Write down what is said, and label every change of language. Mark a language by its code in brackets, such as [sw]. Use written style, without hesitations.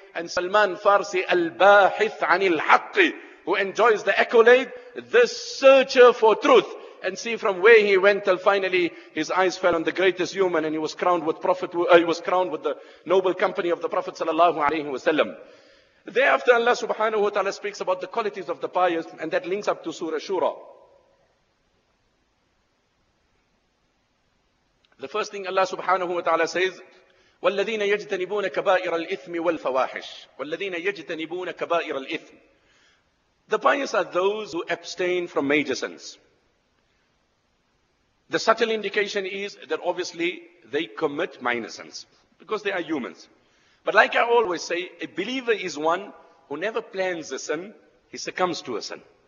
[en] And Salman Farsi, [ar] الباحث عن الحق, [en] who enjoys the accolade, the searcher for truth, and see from where he went till finally his eyes fell on the greatest human, and he was crowned with the noble company of the Prophet sallallahu alaihi wasallam. Thereafter, Allah subhanahu wa ta'ala speaks about the qualities of the pious, and that links up to Surah Shura. The first thing Allah subhanahu wa ta'ala says, [ar] وَالَّذِينَ يَجْتَنِبُونَ كَبَائِرَ الْإِثْمِ وَالْفَوَاحِشِ وَالَّذِينَ يَجْتَنِبُونَ كَبَائِرَ الْإِثْمِ. [en] The pious are those who abstain from major sins. The subtle indication is that obviously they commit minor sins because they are humans. But like I always say, a believer is one who never plans a sin, he succumbs to a sin.